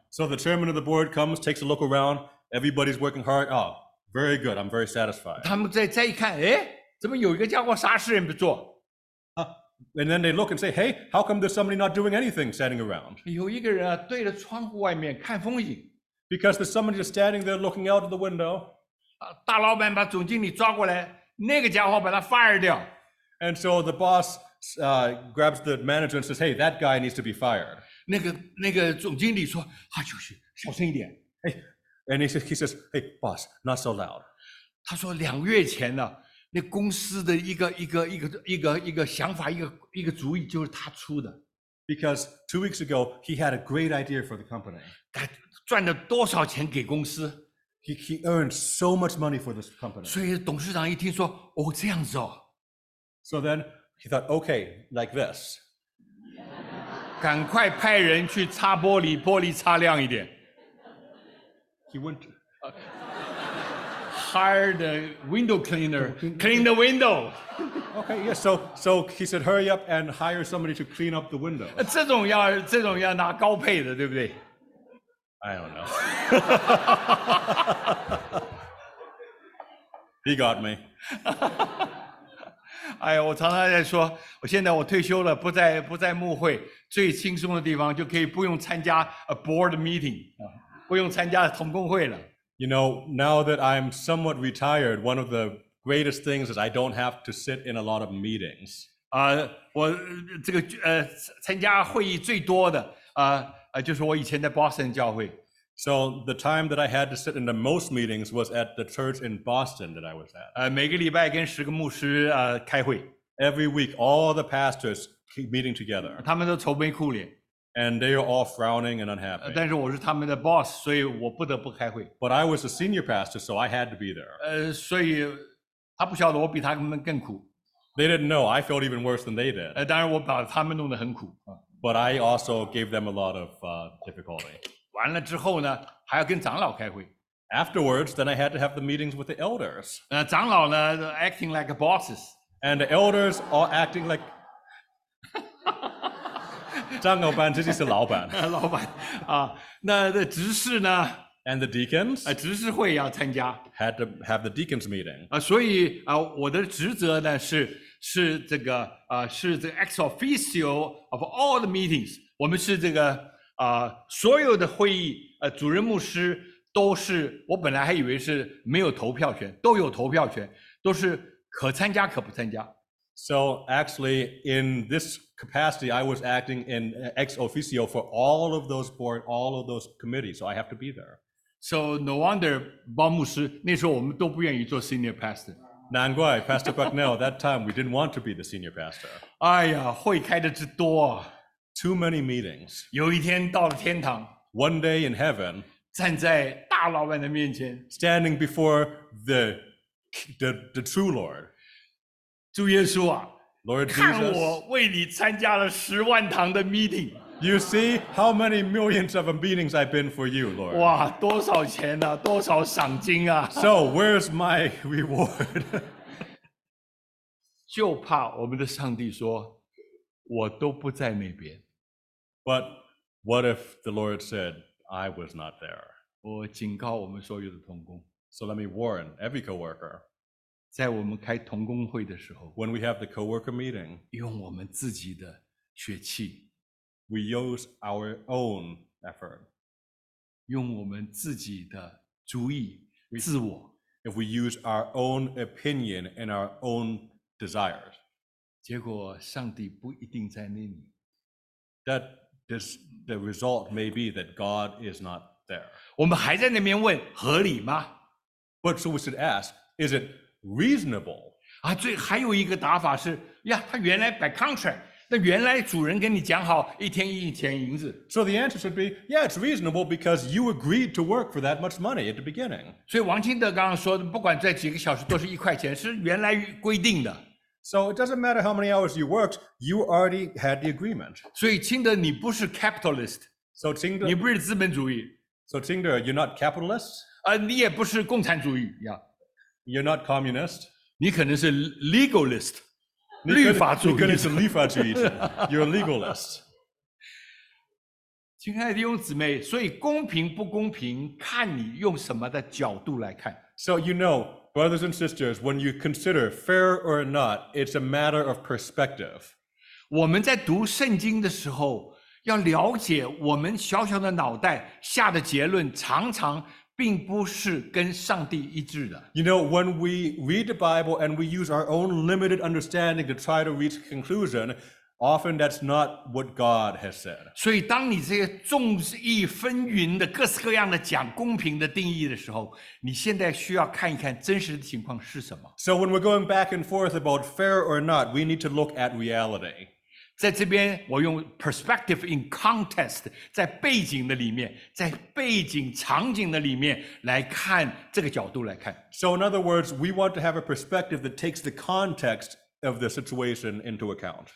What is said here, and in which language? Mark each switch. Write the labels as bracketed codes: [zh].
[en] So the chairman of the board comes, takes a look around. Everybody's working hard. Oh, very good. I'm very satisfied. [zh] 他们再一看，怎么有一个家伙啥事也不做？ [en] And then they look and say, hey, how come there's somebody not doing anything standing around? [zh] 有一个人啊，对着窗户外面看风景。 [en] Because there's somebody just standing there looking out of the window. [zh] 大老板把总经理抓过来，那个家伙把他 fire 掉。 [en] And so the boss, grabs the manager and says, hey, that guy needs to be fired. [zh] 那个总经理说，就是小声一点。 [en] And he says, hey, boss, not so loud. [zh] 他说两月前呢，那公司的一个想法，一个主意，就是他出的。 [en] Because 2 weeks ago he had a great idea for the company. [zh] 他赚了多少钱给公司 [en] ？He earned so much money for this company. [zh] 所以董事长一听说，哦，这样子哦。 [en] So then he thought, okay, like this. [zh] 赶快派人去擦玻璃，玻璃擦亮一点。 [en] He went. Hired a window cleaner. Clean the window. Okay, yes. So he said, hurry up and hire somebody to clean up the window. [zh] 这种要拿高配的，对不对 [en] ？I don't know. He got me. [zh] 哎呀，我常常在说，我现在我退休了，不在牧会，最轻松的地方就可以不用参加 [en] a board meeting， [zh] 不用参加同工会了。 [en] You know, now that I'm somewhat retired, one of the greatest things is I don't have to sit in a lot of meetings. [zh] 我参加会议最多的就是我以前在 Boston 教会。 [en] So the time that I had to sit in the most meetings was at the church in Boston that I was at. [zh] 每个礼拜跟十个牧师开会。 [en] Every week, all the pastors keep meeting together. [zh] 他们都愁眉苦脸。 [en] And they are all frowning and unhappy. [zh] 但是我是他们的 boss， 所以我不得不开会。 [en] But I was a senior pastor, so I had to be there. [zh] 所以他不晓得我比他们更苦。 [en] They didn't know I felt even worse than they did. [zh] 当然我把他们弄得很苦。 [en] But I also gave them a lot of difficulty. [zh] 完了之后呢，还要跟长老开会。 [en] Afterwards, then I had to have the meetings with the elders. [zh] 长老呢 [en] acting like bosses. And the elders are acting like. [zh] 长老班，这就是老板。老板啊，那的执事呢 [en] ？And the deacons？ [zh] 执事会要参加。 [en] Had to have the deacons meeting。 [zh] 所以我的职责呢是这个是这个 [en] ex officio of all the meetings。 [zh] 我们是这个所有的会议主任牧师都是，我本来还以为是没有投票权，都有投票权，都是可参加可不参加。 [en] So actually, in this capacity, I was acting in ex officio for all of those board, all of those committees. So I have to be there. So no wonder, [zh] 包牧师那时候我们都不愿意做 [en] senior pastor. [zh] 难怪 [en] Pastor Bucknell that time we didn't want to be the senior pastor. [zh] 哎呀，会开的之多啊。 [en] Too many meetings. [zh] 有一天到了天堂。 [en] One day in heaven. [zh] 站在大老板的面前。 [en] Standing before the true Lord. [zh] 主耶稣啊 [en] Lord Jesus, [zh] 看我为你参加了十万堂的 meeting。 [en] You see how many millions of meetings I've been for you, Lord. [zh] 哇，多少钱啊，多少赏金啊。 [en] So where's my reward? [zh] 就怕我们的上帝说，我都不在那边。 [en] But what if the Lord said, I was not there? [zh] 我警告我们所有的同工。 [en] So let me warn every coworker. [zh] 在我们开同工会的时候 [en] ，When we have the coworker meeting， [zh] 用我们自己的血气 [en] ，We use our own effort， [zh] 用我们自己的主意、自我 [en] ，If we use our own opinion and our own desires， [zh] 结果上帝不一定在那里。 [en] That is the result may be that God is not there。 [zh] 我们还在那边问合理吗 [en] ？But so we should ask， is it？ Reasonable [zh] 啊，最还有一个打法是呀，他原来摆 contract， 那原来主人跟你讲好一天一钱银子。 [en] So the answer should be, yeah, it's reasonable because you agreed to work for that much money at the beginning. [zh] 所以王清德刚刚说的，不管在几个小时都是一块钱，是原来规定的。 [en] So it doesn't matter how many hours you worked, you already had the agreement. [zh] 所以清德，你不是 capitalist. [en] So 清德， [zh] 你不是资本主义。 [en] So 清德 ，you're not capitalist. [zh] 你也不是共产主义呀。Yeah. [en] You're not communist. [zh] 你可能是 legalist， 律法主义。你可能是立法主义者。 [en] You're legalist. [zh] 亲爱的弟兄姊妹，所以公平不公平，看你用什么的角度来看。 [en] So you know, brothers and sisters, when you consider fair or not, it's a matter of perspective. [zh] 我们在读圣经的时候，要了解我们小小的脑袋下的结论常常并不是跟上帝一致的。 [en] You know, when we read the Bible and we use our own limited understanding to try to reach a conclusion, often that's not what God has said. [zh] 所以当你这些众议纷纭的各式各样的讲公平的定义的时候，你现在需要看一看真实的情况是什么。 [en] So when we're going back and forth about fair or not, we need to look at reality. [zh] 在这边我用 [en] perspective in context， [zh] 在背景的里面，在背景场景的里面来看，这个角度来看。 [en] So in other words, we want to have a perspective that takes the context of the situation into account.